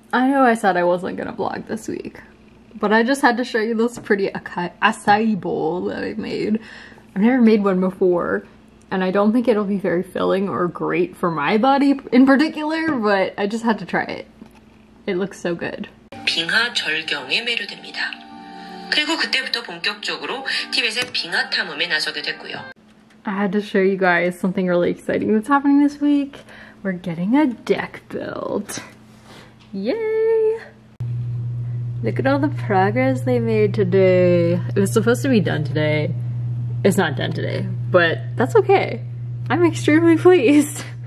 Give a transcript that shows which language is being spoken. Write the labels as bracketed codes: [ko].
[en] I know I said I wasn't gonna vlog this week, but I just had to show you this pretty acai bowl that I made. I've never made one before, and I don't think it'll be very filling or great for my body in particular, but I just had to try it. It looks so good. [ko] 빙하 절경에 매료됩니다. 그리고 그때부터 본격적으로 티벳의 빙하 탐험에 나서게 됐고요. [en] I had to show you guys something really exciting that's happening this week. We're getting a deck built. Yay! Look at all the progress they made today. It was supposed to be done today. It's not done today, but that's okay. I'm extremely pleased.